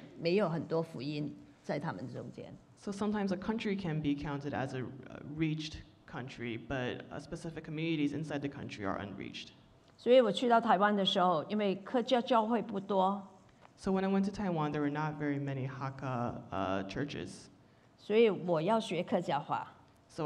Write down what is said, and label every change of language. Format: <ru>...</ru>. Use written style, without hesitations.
<zh>可能是已经有福音，但是某一些群体里面没有很多福音在他们中间。</zh> <en>So sometimes a country can be counted as a reached country, but specific communities inside the country are unreached.</en> <zh>所以我去到台湾的时候，因为客家教会不多。</zh> <en>So when I went to Taiwan, there were not very many Hakka churches.</en> <zh>所以我要学客家话。</zh> <en>So</en>